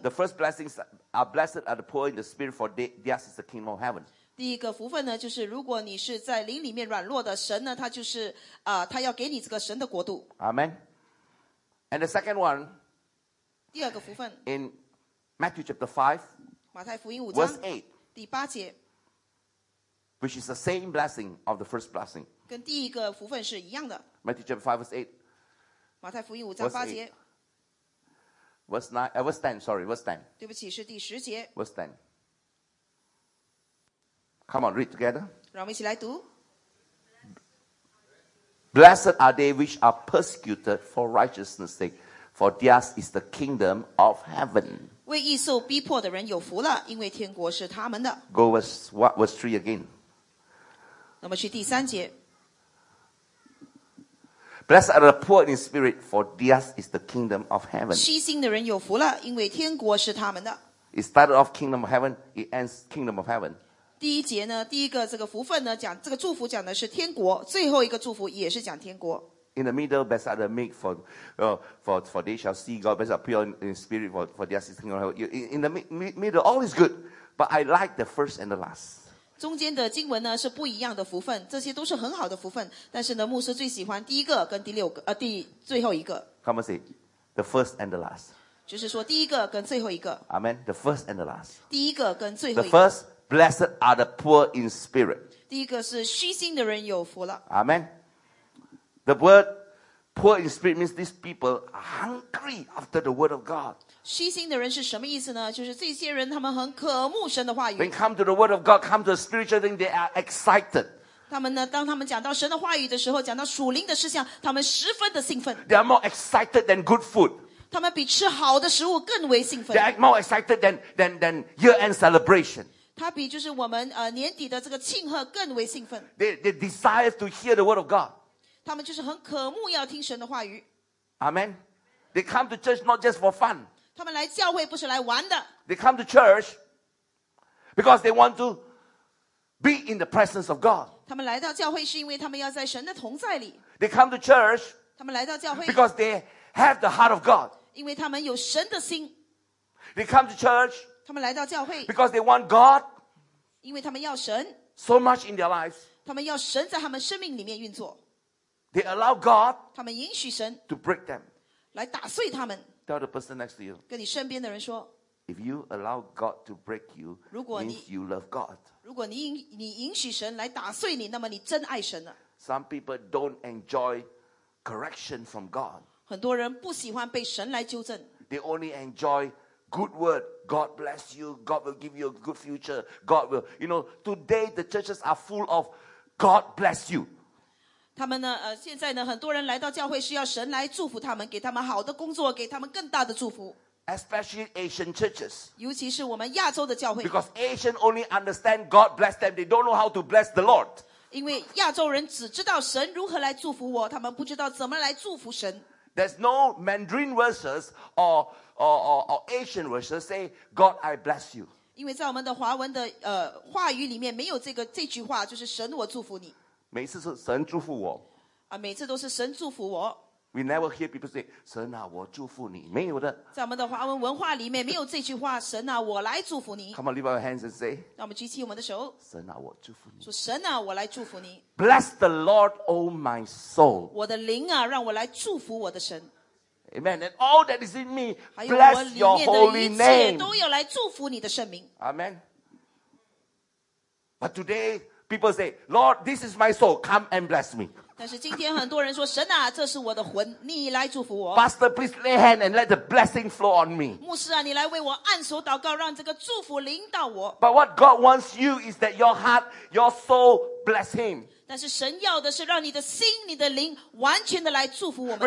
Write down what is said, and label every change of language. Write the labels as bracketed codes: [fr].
[en] The first blessings are blessed are the poor in the spirit, for theirs is the kingdom of heaven. [zh] 第一个福分呢，就是如果你是在灵里面软弱的，神呢，他就是他要给你这个神的国度。 [en] Amen. And the second one. In Matthew chapter 5, [zh] 马太福音五章 [en] verse 8, [zh] 第八节 [en] which is the same blessing of the first blessing. [zh] 跟第一个福分是一样的 [en] Matthew chapter 5, verse 8. [zh] 马太福音五章八节 [en] verse 8, verse 9, verse 10, sorry, verse 10. [zh] 对不起，是第十节 [en] verse 10. Come on, read together. [zh] 让我们一起来读 [en] Blessed are they which are persecuted for righteousness' sake. For theirs is the kingdom of heaven. [zh] 为义受逼迫的人有福了，因为天国是他们的。 [en] Go verse 3 again. [zh] 那么去第三节。 [en] Blessed are the poor in spirit, for theirs is the kingdom of heaven. [zh] 虚心的人有福了，因为天国是他们的。 [en] It started off kingdom of heaven, it ends kingdom of heaven. [zh] 第一节呢，第一个这个福分呢，讲这个祝福讲的是天国，最后一个祝福也是讲天国。 [en] In the middle, blessed are the meek, for they shall see God. Blessed are pure in spirit, for their sitting on heaven. In the middle, all is good, but I like the first and the last. [zh] 中间的经文呢是不一样的福分，这些都是很好的福分。但是呢，牧师最喜欢第一个跟第六个，第最后一个。 [en] Come and say, the first and the last. [zh] 就是说第一个跟最后一个。 [en] Amen. The first and the last. [zh] 第一个跟最后一个。 [en] The first, blessed are the poor in spirit. [zh] 第一个是虚心的人有福了。 [en] Amen. The word poor in spirit means these people are hungry after the word of God. [zh] 虚心的人是什么意思呢？就是这些人他们很渴慕神的话语。 [en] When come to the word of God, come to a spiritual thing, they are excited. [zh] 他们呢，当他们讲到神的话语的时候，讲到属灵的事项，他们十分的兴奋。 [en] They are more excited than good food. [zh] 他们比吃好的食物更为兴奋。 [en] They are more excited than year-end celebration. [zh] 他比就是我们年底的这个庆贺更为兴奋。 [en] They desire to hear the word of God. [zh] 他们就是很渴慕要听神的话语。 [en] Amen. They come to church not just for fun. [zh] 他们来教会不是来玩的。 [en] They come to church because they want to be in the presence of God. [zh] 他们来到教会是因为他们要在神的同在里。 [en] They come to church [zh] 他们来到教会 [en] because they have the heart of God. [zh] 因为他们有神的心。 [en] They come to church [zh] 他们来到教会 [en] because they want God [zh] 因为他们要神 [en] so much in their lives. [zh] 他们要神在他们生命里面运作。 [en] They allow God [zh] 他们允许神 [en] to break them. [zh] 来打碎他们 [en] Tell the person next to you. [zh] 跟你身边的人说 [en] If you allow God to break you, [zh] 如果你 [en] means you love God. [zh] 如果你允许神来打碎你，那么你真爱神了。 [en] Some people don't enjoy correction from God. [zh] 很多人不喜欢被神来纠正。 [en] They only enjoy good good word. God bless you. God will give you a good future. God will, you know, today the churches are full of God bless you. [zh] 他们呢，现在呢，很多人来到教会是要神来祝福他们，给他们好的工作，给他们更大的祝福。 [en] Especially Asian churches. [zh] 尤其是我们亚洲的教会。 [en] Because Asian only understand God bless them. They don't know how to bless the Lord. [zh] 因为亚洲人只知道神如何来祝福我，他们不知道怎么来祝福神。 There's no Mandarin verses or Asian verses say, God, I bless you. 因为在我们的华文的话语里面没有这句话，就是神我祝福你。每次是神祝福我。每次都是神祝福我。 [en] We never hear people say, [zh] 神啊，我祝福你。没有的。在我们的华文文化里面没有这句话，神啊，我来祝福你。 [en] Come on, lift up your hands and say, [zh] 让我们举起我们的手。神啊，我祝福你。说神啊，我来祝福你。 [en] Bless the Lord, O my soul. [zh] 我的灵啊，让我来祝福我的神。 [en] Amen. And all that is in me, bless your holy name. [zh] 还有我里面的一切都要来祝福你的圣名。 [en] Amen. But today,People say, Lord, this is my soul. Come and bless me. [zh] 但是今天很多人说，神啊，这是我的魂，你来祝福我。 [en] Pastor, please lay hand and let the blessing flow on me. [zh] 牧师啊，你来为我按手祷告，让这个祝福临到我。 [en] But what God wants you is that your heart, your soul, bless Him. [zh] 但是神要的是让你的心，你的灵完全的来祝福我们的